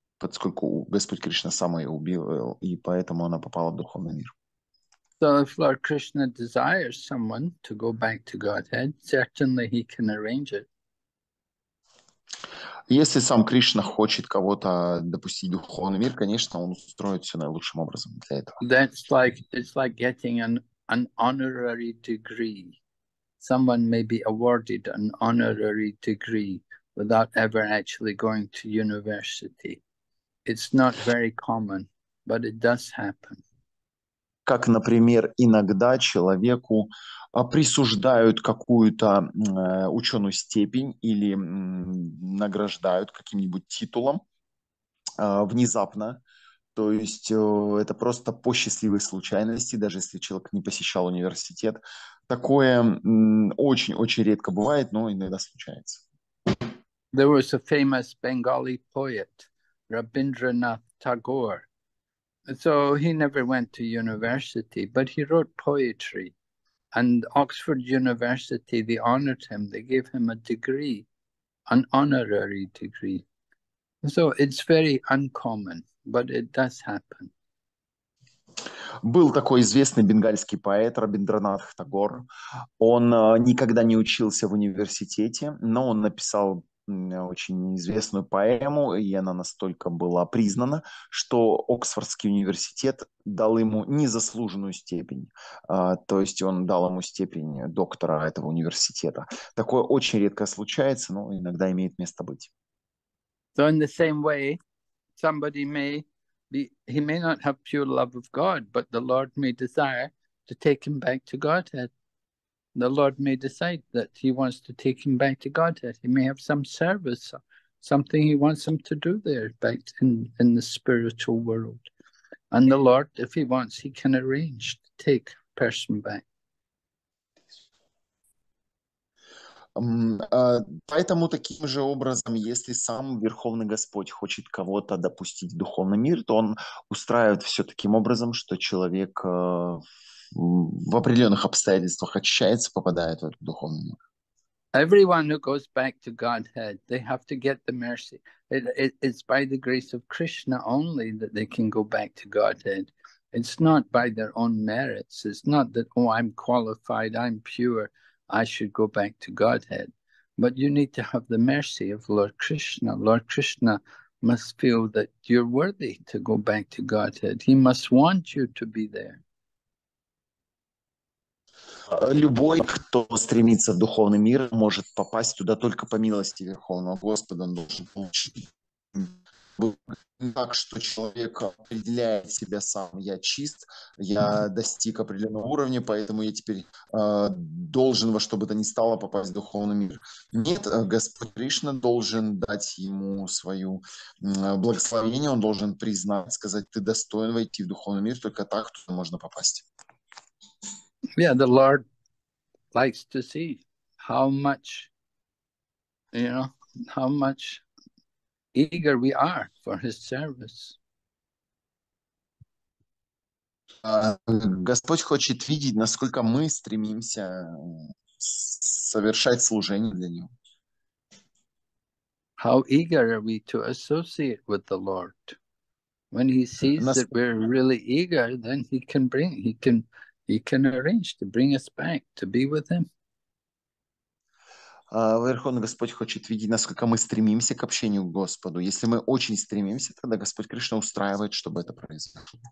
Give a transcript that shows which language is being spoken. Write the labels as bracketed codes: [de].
[ru] Поскольку Господь Кришна сам ее убил, и поэтому она попала в духовный мир. [en] So if Lord Krishna desires someone to go back to Godhead, certainly he can arrange it. [ru] Если сам Кришна хочет кого-то допустить в духовный мир, конечно, он устроит все наилучшим образом для этого. [en] That's like, it's like getting an honorary degree. Someone may be awarded an honorary degree without ever actually going to university. It's not very common, but it does happen. [ru] Как, например, иногда человеку присуждают какую-то ученую степень или награждают каким-нибудь титулом внезапно. То есть это просто по счастливой случайности, даже если человек не посещал университет. Такое очень-очень редко бывает, но иногда случается. [en] There was a famous Bengali poet. Rabindranath Tagore. So he never went to university, but he wrote poetry. And Oxford University, they honored him. They gave him a degree, an honorary degree. So it's very uncommon, but it does happen. [ru] Был такой известный бенгальский поэт Рабиндранат Тагор. Он никогда не учился в университете, но он написал очень известную поэму, и она настолько была признана, что Оксфордский университет дал ему незаслуженную степень. То есть он дал ему степень доктора этого университета. Такое очень редко случается, но иногда имеет место быть. [en] So in the same way, somebody may be, he may not have pure love of God, but the Lord may desire to take him back to Godhead. The Lord may decide that he wants to take him back to Godhead. He may have some service, something he wants him to do there back in the spiritual world. And the Lord, if he wants, he can arrange to take a person back. [ru] Поэтому таким же образом, если сам Верховный Господь хочет кого-то допустить в духовный мир, то он устраивает все таким образом, что человек в определенных обстоятельствах очищается, попадает в этот духовный мир. [en] Everyone who goes back to Godhead, they have to get the mercy. It's by the grace of Krishna only that they can go back to Godhead. It's not by their own merits. It's not that, oh, I'm qualified, I'm pure, I should go back to Godhead. But you need to have the mercy of Lord Krishna. Lord Krishna must feel that you're worthy to go back to Godhead. He must want you to be there. [ru] Любой, кто стремится в духовный мир, может попасть туда только по милости Верховного Господа. Он должен получить так, что человек определяет себя сам. Я чист, я достиг определенного уровня, поэтому я теперь должен во что бы то ни стало попасть в духовный мир. Нет, Господь Кришна должен дать ему свое благословение, он должен признать, сказать, ты достоин войти в духовный мир, только так туда можно попасть. [en] Yeah, the Lord likes to see how much, you know, how much eager we are for His service. [ru] Господь хочет видеть, насколько мы стремимся совершать служение для Него. [en] How eager are we to associate with the Lord? When He sees that we're really eager, then He can bring, He can... He can arrange to bring us back to be with Him. [ru] Верховный Господь хочет видеть, насколько мы стремимся к общению к Господу. Если мы очень стремимся, тогда Господь Кришна устраивает, чтобы это произошло.